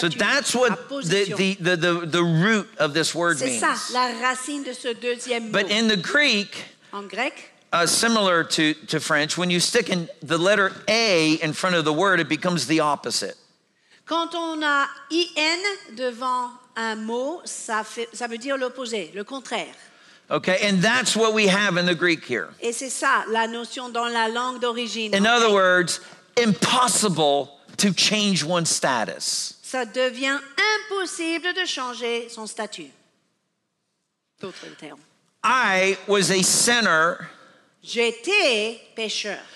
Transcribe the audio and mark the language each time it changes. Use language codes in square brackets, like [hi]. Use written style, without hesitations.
[en] So that's what the root of this word [fr] c'est [en] means. [fr] Ça, la racine de ce deuxième mot. [en] But in the Greek, [fr] en grec, [en] similar to French, when you stick in the letter A in front of the word, it becomes the opposite. [fr] Quand on a IN devant un mot, ça, fait, ça veut dire l'opposé, le contraire. [en] Okay, and that's what we have in the Greek here. [fr] Et c'est ça, la notion dans la langue d'origine. [en] In other words, impossible to change one's status. [fr] Ça devient impossible de changer son statut. D'autres termes. [en] I was a sinner. [fr] J'étais pécheur.